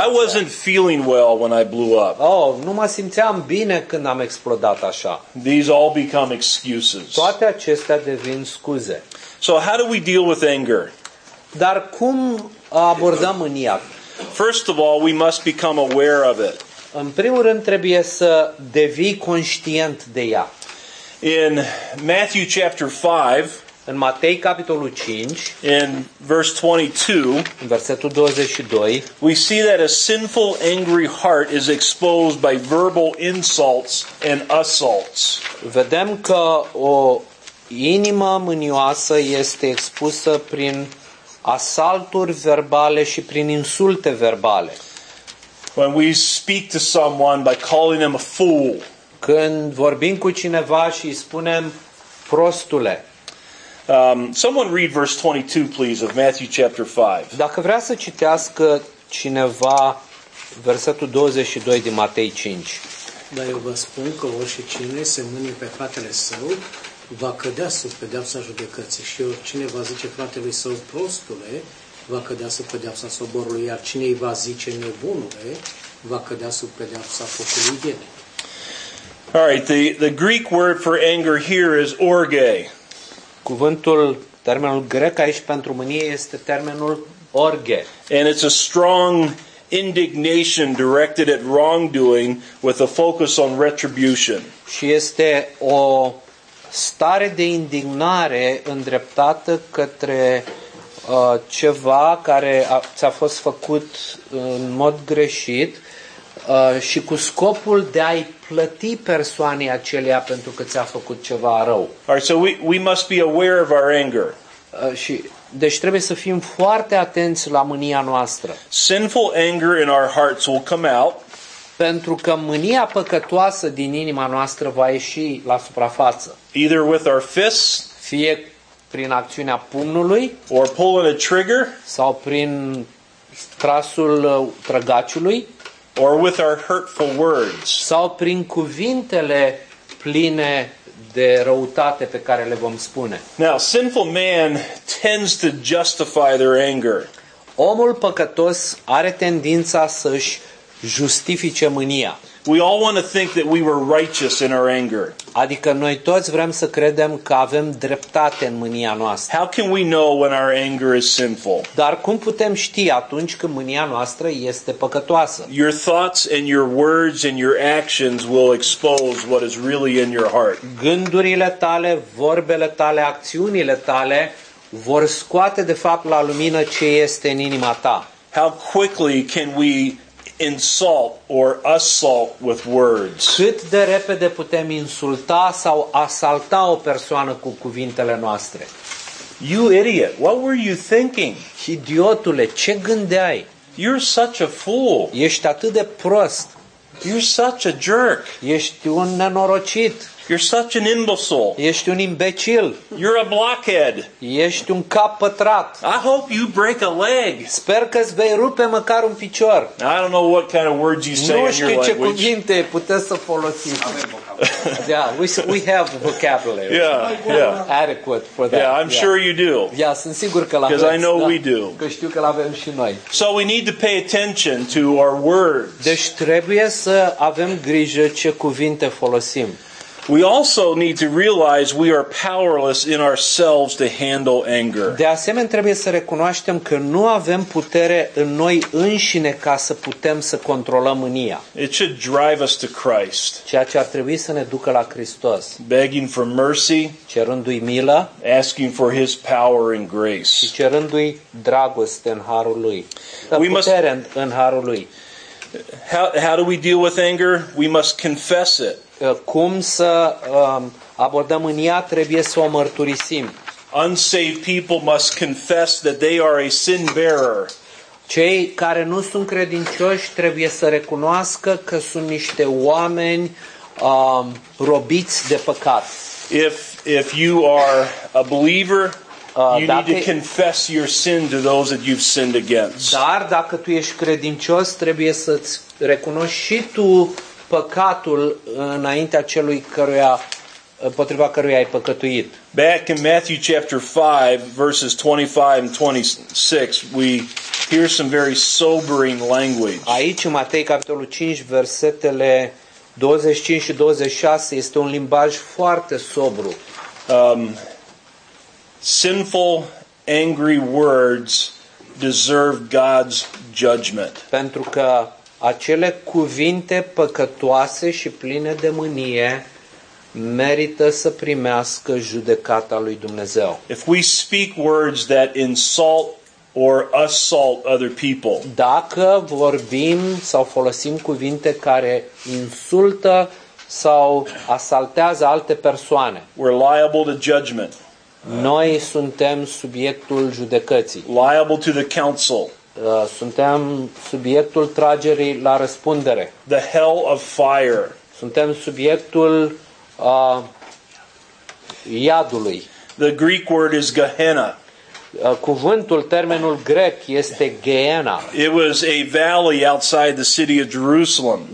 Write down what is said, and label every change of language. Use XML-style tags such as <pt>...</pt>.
<en>I wasn't feeling well when I blew up.</en> <ro>Oh, nu mă simțeam bine când am explodat așa.</ro> <en>These all become excuses.</en> <ro>Toate acestea devin scuze.</ro> <en>So how do we deal with anger?</en> <ro>Dar cum abordăm mânia?</ro> <en>First of all, we must become aware of it.</en> <ro>În primul rând trebuie să devii conștient de ea.</ro> <en>In Matthew chapter 5,</en> <ro>în Matei capitolul 5,</ro> <en>in verse 22,</en> <ro>în versetul 22,</ro> <en>we see that a sinful angry heart is exposed by verbal insults and assaults.</en> <ro>Vedem că o inimă mânioasă este expusă prin asalturi verbale și prin insulte verbale.</ro> <en>When we speak to someone by calling them a fool.</en> <ro>Când vorbim cu cineva și îi spunem prostule.</ro> <en>Someone read verse 22 please of Matthew chapter 5.</en> <ro>Dacă vrea să citească cineva versetul 22 din Matei 5. Dar eu vă spun că oricine se mâne pe fratele său va cădea sub pedeapsa judecății și oricine va zice fratelui său prostule va cădea sub pedeapsa soborului, iar cine îi va zice nebunule va cădea sub pedeapsa focului vieții.</ro> <en>All right, the Greek word for anger here is orge.</en> <ro>Cuvântul, termenul grec aici pentru mânie este termenul orge.</ro> <en>And it's a strong indignation directed at wrongdoing with a focus on retribution.</en> <ro>Și este o stare de indignare îndreptată către ceva care ți-a fost făcut în mod greșit și cu scopul de a-i plăti persoanei acelea pentru că ți-a făcut ceva rău.</ro> <en>All right, so we must be aware of our anger.</en> <ro>Și deci trebuie să fim foarte atenți la mânia noastră.</ro> <en>Sinful anger in our hearts will come out.</en> <ro>Pentru că mânia păcătoasă din inima noastră va ieși la suprafață.</ro> <en>Either with our fists,</en> <ro>fie prin acțiunea pumnului,</ro> <en>or pulling a trigger,</en> <ro>sau prin trasul trăgaciului,</ro> <en>or with our hurtful words,</en> <ro>sau prin cuvintele pline de răutate pe care le vom spune.</ro> <en>Now, sinful man tends to justify their anger.</en> <ro>Omul păcătos are tendința să-și justifice mânia.</ro> <en>We all want to think that we were righteous in our anger.</en> <ro>Adică noi toți vrem să credem că avem dreptate în mânia noastră.</ro> <en>How can we know when our anger is sinful?</en> <ro>Dar cum putem ști atunci când mânia noastră este păcătoasă?</ro> <en>Your thoughts and your words and your actions will expose what is really in your heart.</en> <ro>Gândurile tale, vorbele tale, acțiunile tale vor scoate de fapt la lumină ce este în inima ta.</ro> <en>How quickly can we insult or assault with words?</en> <ro>Cât de repede putem insulta sau asalta o persoană cu cuvintele noastre?</ro> <en>You idiot, what were you thinking?</en> <ro>Idiotule, ce gândeai?</ro> <en>You're such a fool.</en> <ro>Ești atât de prost.</ro> <en>You're such a jerk.</en> <ro>Ești un nenorocit.</ro> <en>You're such an imbecile.</en> <ro>Ești un imbecil.</ro> <en>You're a blockhead.</en> <ro>Ești un cap pătrat.</ro> <en>I hope you break a leg.</en> <ro>Sper că îți vei rupe măcar un picior.</ro> <en>I don't know what kind of words you say in your language.</en> <ro>Nu știu ce cuvinte puteți să folosiți. Avem</ro> <en>vocabulary. Yeah, we have vocabulary. Yeah. Adequate for that. Yeah, I'm sure you do.</en> <ro>Yeah, sunt sigur că l-aveți.</ro> <en>Because I know we do.</en> <ro>Că știu că l-avem și noi.</ro> <en>So we need to pay attention to our words.</en> <ro>Deci trebuie să avem grijă ce cuvinte folosim.</ro> <en>We also need to realize we are powerless in ourselves to handle anger.</en> <ro>De asemenea, trebuie să recunoaștem că nu avem putere în noi înșine ca să putem să controlăm mânia.</ro> <en>It should drive us to Christ.</en> <ro>Ceea ce ar trebui să ne ducă la Hristos.</ro> <en>Begging for mercy,</en> <ro>cerându-i milă,</ro> <en>asking for his power and grace.</en> <ro>Și cerându-i dragoste în harul lui. În harul lui.</ro> <en>How do we deal with anger? We must confess it.</en> <ro>Cum să abordăm mânia, trebuie să o mărturisim.</ro> <en>Unsaved people must confess that they are a sin bearer.</en> <ro>Cei care nu sunt credincioși trebuie să recunoască că sunt niște oameni robiți de păcat.</ro> <en>If you are a believer, you need to confess your sin to those that you've sinned against.</en> <ro>Dar dacă tu ești credincios, trebuie să-ți recunoști și tu păcatul înaintea celui căruia, împotriva căruia ai păcătuit.</ro> <en>Back in Matthew chapter 5, verses 25 and 26, we hear some very sobering language.</en> <ro>Aici, în Matei, capitolul 5, versetele 25 și 26, este un limbaj foarte sobru.</ro> <en>Sinful, angry words deserve God's judgment.</en> <ro>Pentru că acele cuvinte păcătoase și pline de mânie merită să primească judecata lui Dumnezeu.</ro> <en>If we speak words that insult or assault other people.</en> <ro>Dacă vorbim sau folosim cuvinte care insultă sau asaltează alte persoane,</ro> <en>we're liable to judgment.</en> <ro>Noi suntem subiectul judecății.</ro> <en>Liable to the council.</en> <ro>Suntem subiectul tragerii la răspundere.</ro> <en>The hell of fire.</en> <ro>Suntem subiectul iadului.</ro> <en>The Greek word is Gehenna.</en> <ro>Cuvântul, termenul grec este Gehenna.</ro> <en>It was a valley outside the city of Jerusalem.</en>